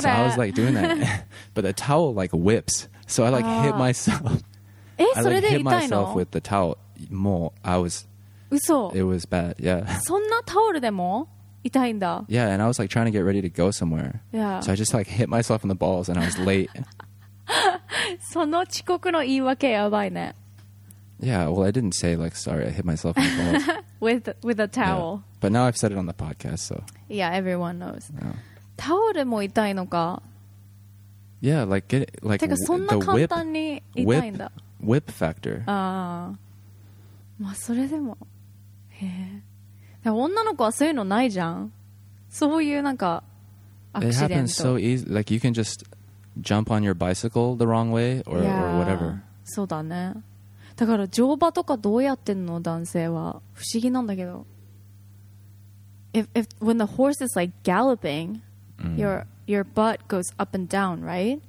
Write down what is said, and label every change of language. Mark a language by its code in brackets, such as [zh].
[en] So I was like doing that. But the towel like whips. So I like hit myself. [ja] え、それで痛いの? [en] I like hit myself with the towel. もう I was... [ja] 嘘? [en] It was bad, yeah. [ja] そんなタオルでも?痛いんだ? [en] Yeah, and I was like trying to get ready to go somewhere. Yeah. So I just like hit myself in the balls and I was late. [ja] その遅刻の言い訳やばいね。 [en] Yeah, well, I didn't say, like, sorry, I hit myself in the balls. with a towel. Yeah. But now I've said it on the podcast, so... Yeah, everyone knows. Yeah. [ja] タオルも痛いのか? [en] Yeah, like, get, like [ja] てかそんな簡単に痛いんだ。 [en] Whip factor. [ja] まあ、それでも。へえ。女の子はそういうのないじゃん。そういうなんか、アクシデント。 [en] It happens so easy. Like, you can just jump on your bicycle the wrong way or,、 yeah. or whatever. [ja] そうだね。だから乗馬とかどうやってんの男性は不思議なんだけど [en] if when the horse is like galloping、 [ja] mm. [en] your butt goes up and down right、